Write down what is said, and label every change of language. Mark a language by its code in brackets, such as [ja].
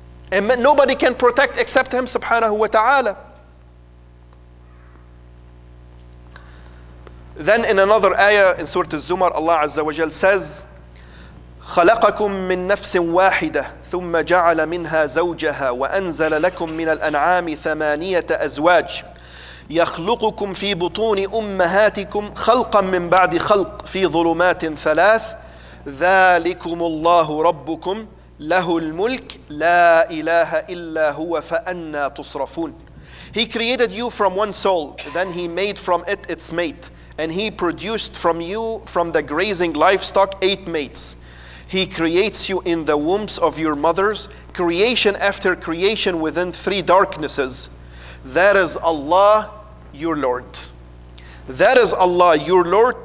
[en] And nobody can protect except Him, subhanahu wa ta'ala. Then in another ayah in Surah Az-Zumar, Allah Azza wa Jal says, [ar] خَلَقَكُم مِّن نَفْسٍ وَاحِدَةٍ ثم جعل منها زوجها وأنزل لكم من الأنعام ثمانية أزواج يخلقكم في بطون أمهاتكم خلقا من بعد خلق في ظلمات ثلاث ذلكم الله ربكم له الملك لا إله إلا هو فأنى تصرفون. [en] He created you from one soul, then he made from it its mate, and he produced from you from the grazing livestock eight mates. He creates you in the wombs of your mothers, creation after creation within three darknesses. That is Allah, your Lord. That is Allah, your Lord.